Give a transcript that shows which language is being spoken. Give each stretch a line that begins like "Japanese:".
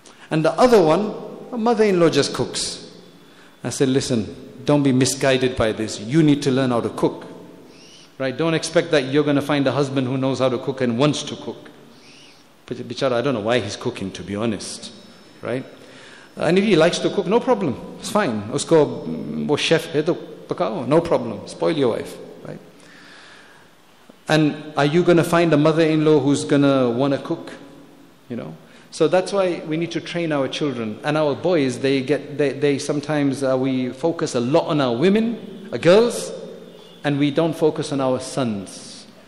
English: And the other one, a mother-in-law just cooks. I said, listen, don't be misguided by this. You need to learn how to cook. Right? Don't expect that you're going to find a husband who knows how to cook and wants to cook. But bichara, I don't know why he's cooking, to be honest. Right? And if he likes to cook, no problem. It's fine.
Urdu: اسکو وہ chef ہے تو پکاؤ،
English: no problem. Spoil your wife, right? And are you going to find a mother-in-law who's going to want to cook? You know? So that's why we need to train our children. And our boys, they sometimes we focus a lot on our women, our girls, and we don't focus on our sons.